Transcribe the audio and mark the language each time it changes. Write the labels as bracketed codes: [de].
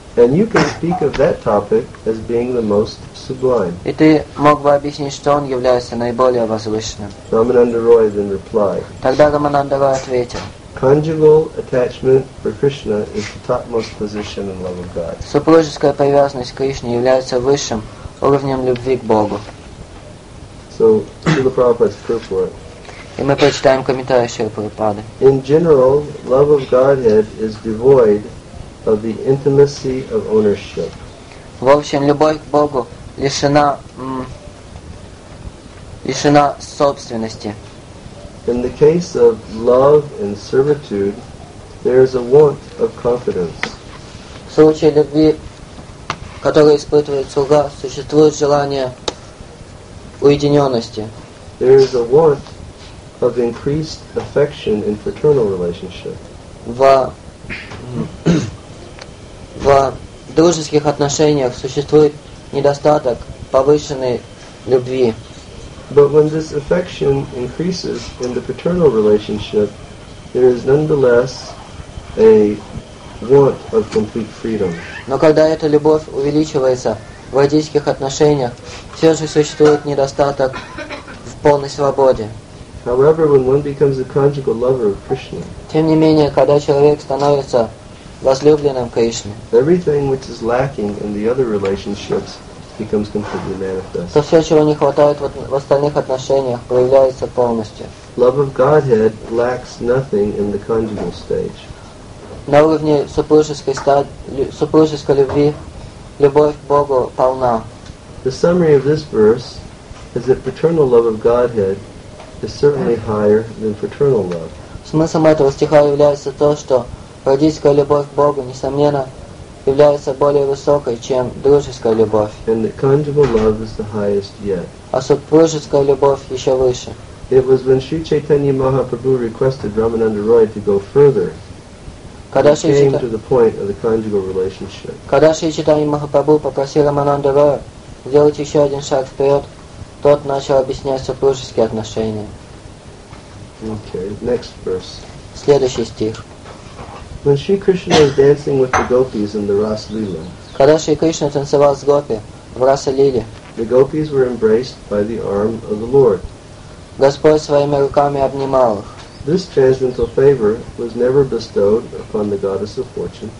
[en] And you can speak of that topic as being the most sublime. [ru] И ты мог бы объяснить, что он является наиболее возвышенным. [en] Ramananda Roy then replied. [ru] Тогда Рамананда Рой ответил. [en] Conjugal attachment for Krishna is the topmost position in love of God. [ru] Супружеская привязанность к Кришне является высшим уровнем любви к Богу. [en] So, Srila Prabhupada's proof for it. [ru] И мы прочитаем комментарий Шрилы Прабхупады. [en] In general, love of Godhead is devoid of the intimacy of ownership. [ru] В общем, любовь к Богу лишена лишена собственности. [en] In the case of love and servitude, there is a want of confidence. [ru] В случае любви, которую испытывает слуга, существует желание уединенности. [en] There is a want of increased affection in fraternal relationship. [ru] В дружеских отношениях существует недостаток повышенной любви. [en] But when this affection increases in the paternal relationship, there is nonetheless a want of complete freedom. [ru] Но когда эта любовь увеличивается в родительских отношениях, все же существует недостаток в полной свободе. [en] However, when one becomes a conjugal lover of Krishna, [ru] тем не менее, когда человек становится возлюбленным Кришны, [en] everything which is lacking in the other relationships becomes completely manifest. [ru] То все, чего не хватает в остальных отношениях, проявляется полностью. [en] Love of Godhead lacks nothing in the conjugal stage. [ru] На уровне супружеской супружеской любви любовь к Богу полна. [en] The summary of this verse is that paternal love of Godhead is certainly higher than fraternal love. [ru] Смыслом этого стиха является то, что родительская любовь к Богу, несомненно, является более высокой, чем дружеская любовь. [en] And the conjugal love is the highest yet. [ru] А супружеская любовь еще выше. [en] It was when Sri Chaitanya Mahaprabhu requested Ramananda Roy to go further, he came to the point of the conjugal relationship. [ru] Когда Sri Chaitanya Mahaprabhu попросил Рамананда Роя сделать еще один шаг вперед, тот начал объяснять супружеские отношения. [en] Okay, next verse. [ru] Следующий стих. [en] When Sri Krishna was dancing with the gopis in the Rasa Lila, [ru] когда Шри Кришна танцевал с гопи в Раса Лиле, [en] the gopis were embraced by the arm of the Lord. [ru] Господь своими руками обнимал их. [en] This transcendental favor was never bestowed upon the goddess of fortune.